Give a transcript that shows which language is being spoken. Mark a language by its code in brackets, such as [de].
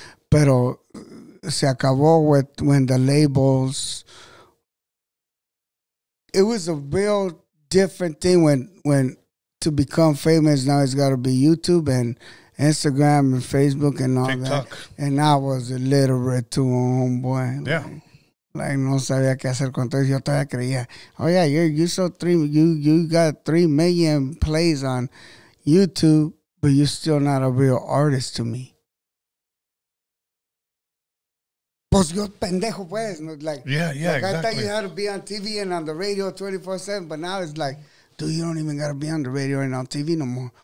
[es] Pero se acabó [en] with when the labels. It was a real different thing when to become famous. Now it's got to be YouTube and Instagram and Facebook and all TikTok. That. And I was illiterate too, homeboy. Yeah. Like, [es] no sabía qué hacer con todo. Yo todavía creía. Oh, yeah, you saw you got 3 million plays on YouTube, but you're still not a real artist to me. Pues yo pendejo, pues. [en] Like, yeah, exactly. I thought you had to be on TV and on the radio 24/7, but now it's like, dude, you don't even got to be on the radio and on TV no more.